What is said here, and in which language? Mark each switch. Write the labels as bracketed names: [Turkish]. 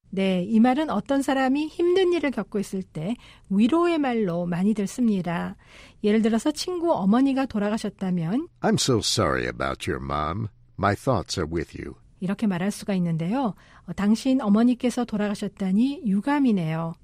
[Korean] 네, 이 말은 어떤 사람이 힘든 일을 겪고 있을 때 위로의 말로 많이들 씁니다. 예를 들어서 친구 어머니가 돌아가셨다면 [English] I'm so sorry about your mom. My thoughts are with you. [Korean] 이렇게 말할 수가 있는데요. 당신 어머니께서 돌아가셨다니 유감이네요.